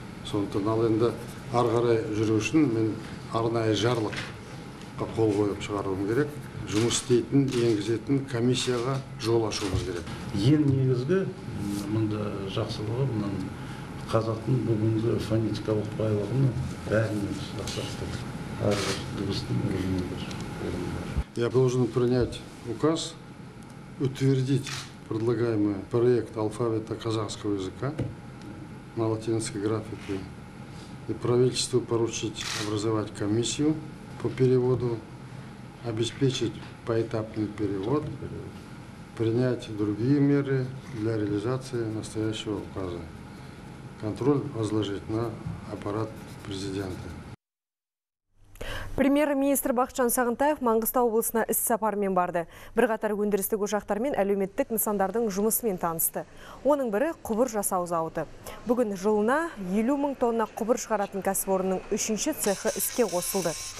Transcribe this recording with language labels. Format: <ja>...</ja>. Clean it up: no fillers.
<kk>Сондықтан ал енді ары қарай жүру үшін мен арнайы жарлыққа қол қойып шығаруым керек. Жұмыс істейтін, енгізетін комиссияға жол ашуымыз керек. Ең негізгі мында жақсылығы мынаның қазақтың бүгінгі фонетикалық байлығын бәрінен сақтадық. Әрбір дыбыстың өзінің бір орны бар.</kk> <ru>Я должен принять указ утвердить предлагаемый проект алфавита казахского языка на латинской графике и правительству поручить образовать комиссию по переводу, обеспечить поэтапный перевод, принять другие меры для реализации настоящего указа. Контроль возложить на аппарат президента.</ru> <kk>Премьер-министр Бақытжан Сағынтаев Маңғыстау облысына іссапармен барды. Бірқатар өндірістік ошақтар мен әлеуметтік нысандардың жұмысымен танысты. Оның бірі құбыр жасау зауыты. Бүгін жылына 50 мың тонна құбыр шығаратын кәсіпорынның үшінші цехы іске қосылды.</kk>